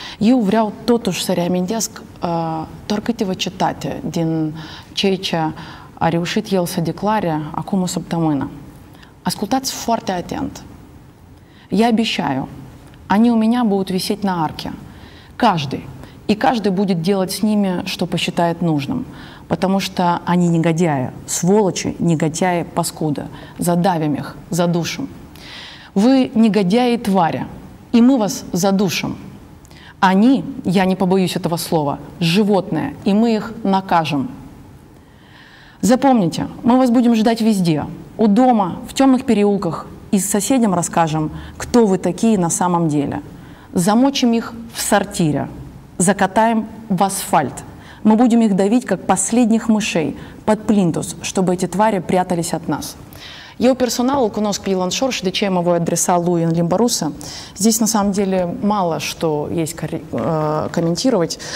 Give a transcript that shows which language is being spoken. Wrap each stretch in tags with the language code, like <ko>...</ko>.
<ro>Eu vreau totuși să reamintesc doar câteva citate din ceea ce a reușit el să declare acum o săptămână. Ascultați foarte atent.</ro> <ru>Я обещаю, они у меня будут висеть на арке. Каждый. И каждый будет делать с ними, что посчитает нужным. Потому что они негодяи, сволочи, негодяи, паскуда. Задавим их, задушим. Вы негодяи и твари, и мы вас задушим. Они, я не побоюсь этого слова, животные, и мы их накажем. Запомните, мы вас будем ждать везде. У дома, в темных переулках, и с соседям расскажем, кто вы такие на самом деле. Замочим их в сортире, закатаем в асфальт. Мы будем их давить, как последних мышей, под плинтус, чтобы эти твари прятались от нас.</ru> <ro>Eu personal îl cunosc pe Elon Shore și de ce mă voi adresa lui în limba rusă.</ro> <ru>Здесь, на самом деле, мало что есть комментировать.</ru>